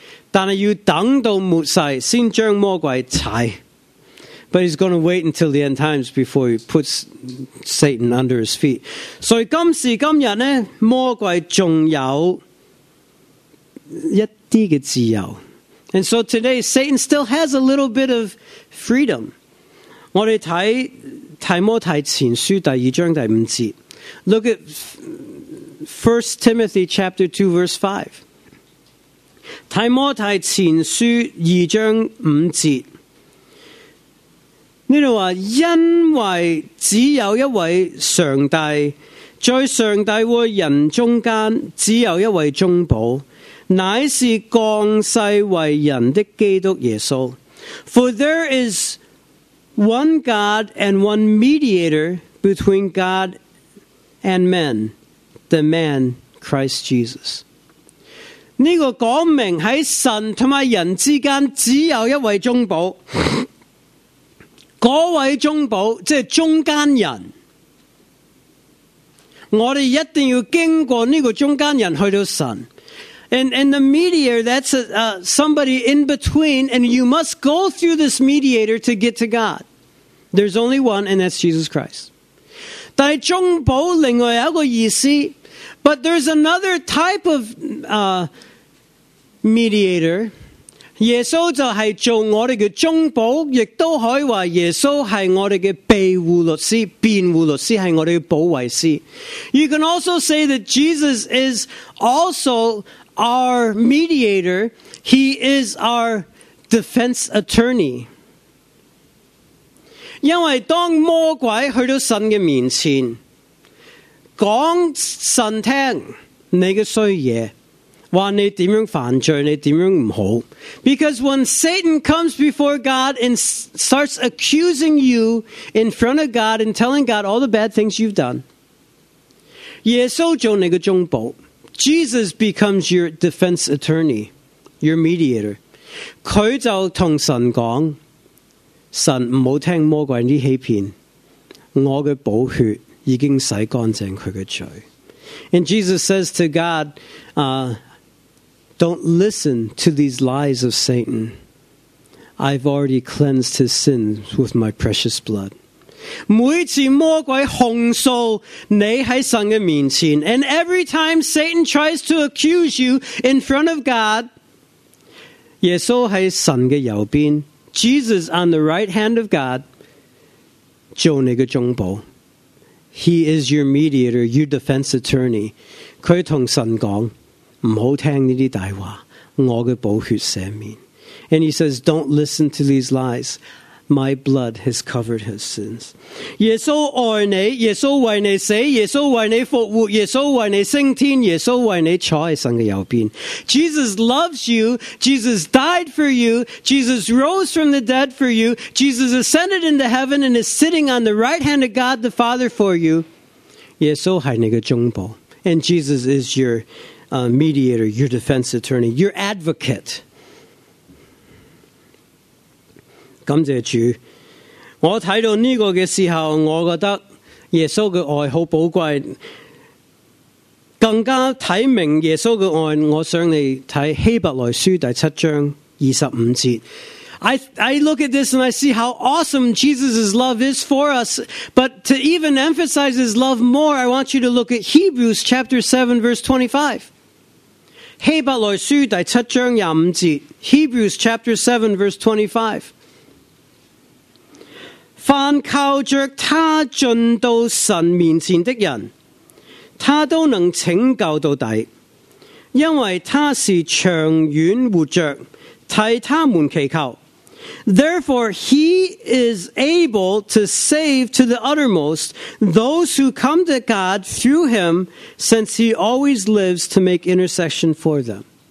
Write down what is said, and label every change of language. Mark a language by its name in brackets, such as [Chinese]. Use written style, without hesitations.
[Cantonese] 但是要等到末世先将魔鬼踩。 [English] But he's going to wait until the end times before he puts Satan under his feet. [Cantonese] 所以今时今日呢，魔鬼仲有一啲嘅自由。 [English] And so today, Satan still has a little bit of freedom. [Cantonese] 我哋睇提摩太前书第二章第五节。 [English] Look at 1 Timothy chapter 2 verse 5. [Cantonese] 提摩太前书二章五节，呢度话：因为只有一位上帝，在上帝和人中间只有一位中保，乃是降世为人的基督耶稣。 [English] For there is one God and one mediator between God and men, the man Christ Jesus. [Cantonese] 这个讲明在神和人之间只有一位中保，那位中保即是中间人，我们一定要经过这个中间人去到神。 [English] And the mediator, that's somebody in between, and you must go through this mediator to get to God. There's only one, and that's Jesus Christ. [Cantonese] 但是中保另外有一个意思， [English] but there's another type of mediator, [Cantonese] 耶稣就是做我们的中保，亦都可以说耶稣是我们的庇护律师，辩护律师是我们的保卫师。 [English] You can also say that Jesus is also our mediator. He is our defense attorney. [Cantonese] 因为当魔鬼去到神的面前，讲神听你的衰嘢，话你点样犯罪，你点样唔好。 [English] Because when Satan comes before God and starts accusing you in front of God and telling God all the bad things you've done, [Cantonese] 耶稣做你的中保， [English] Jesus becomes your defense attorney, your mediator. [Cantonese] 佢就同神讲，神唔好听魔鬼啲欺骗，我嘅宝血已经洗干净佢嘅罪。 [English] And Jesus says to God, don't listen to these lies of Satan. I've already cleansed his sins with my precious blood. [Cantonese] 每次魔鬼控诉你在神的面前， [English] and every time Satan tries to accuse you in front of God, [Cantonese] 耶稣在神的右边， [English] Jesus on the right hand of God, [Cantonese] 做你的中保。 [English] He is your mediator, your defense attorney. [Cantonese] 他跟神讲，不要听这些大话，我的宝血赦免。 [English] And he says, don't listen to these lies. My blood has covered his sins. [Cantonese] 耶稣爱你，耶稣为你死，耶稣为你复活，耶稣为你升天，耶稣为你坐在神的右边。 [English] Jesus loves you. Jesus died for you. Jesus rose from the dead for you. Jesus ascended into heaven and is sitting on the right hand of God the Father for you. [Cantonese] 耶稣是你的中保。 [English] And Jesus is your mediator, your defense attorney, your advocate. [Cantonese] 感谢主，我看到这个的时候，我觉得耶稣的爱很宝贵，更加看明耶稣的爱，我想你看希伯来书第七章二十五节。 [English] I look at this and I see how awesome Jesus' love is for us. But to even emphasize his love more, I want you to look at Hebrews chapter 7, verse 25. [Cantonese] 希伯来书第七章廿五节。 [English] Hebrews chapter 7, verse 25. [Cantonese] 凡靠着他进到神面前的人，他都能拯救到底，因为他是长远活着，替他们祈求。 [English] Therefore, he is able to save to the uttermost those who come to God through him, since he always lives to make intercession for them.